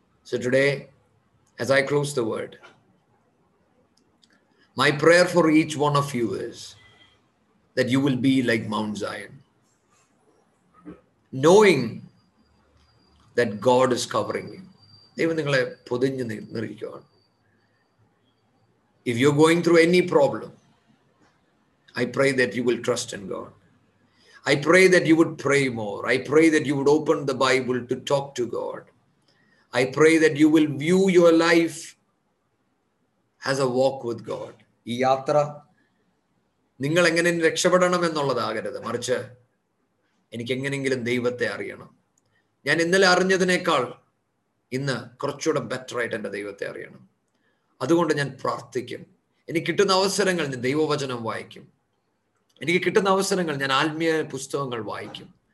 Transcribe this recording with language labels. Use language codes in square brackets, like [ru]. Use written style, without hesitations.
[en] So today as I close the word, my prayer for each one of you is that you will be like Mount Zion, knowing that God is covering you. [ml] ദൈവം നിങ്ങളെ പൊതിഞ്ഞ് നിർത്തിക്കുകയാണ്. [en] If you're going through any problem, I pray that you will trust in God. I pray that you would pray more. I pray that you would open the Bible to talk to God. I pray that you will view your life as a walk with God. [ml] ഈ യാത്ര നിങ്ങൾ എങ്ങനെ രക്ഷപ്പെടണം എന്നുള്ളതാകരുത്, മറിച്ച് എനിക്ക് എങ്ങനെയെങ്കിലും ദൈവത്തെ അറിയണം. ഞാൻ ഇന്നലെ അറിഞ്ഞതിനേക്കാൾ ഇന്ന് കുറച്ചുകൂടെ ബെറ്ററായിട്ട് എൻ്റെ ദൈവത്തെ അറിയണം. അതുകൊണ്ട് ഞാൻ പ്രാർത്ഥിക്കും, എനിക്ക് കിട്ടുന്ന അവസരങ്ങൾ ഞാൻ ദൈവവചനം വായിക്കും, എനിക്ക് കിട്ടുന്ന അവസരങ്ങൾ ഞാൻ ആത്മീയ പുസ്തകങ്ങൾ വായിക്കും.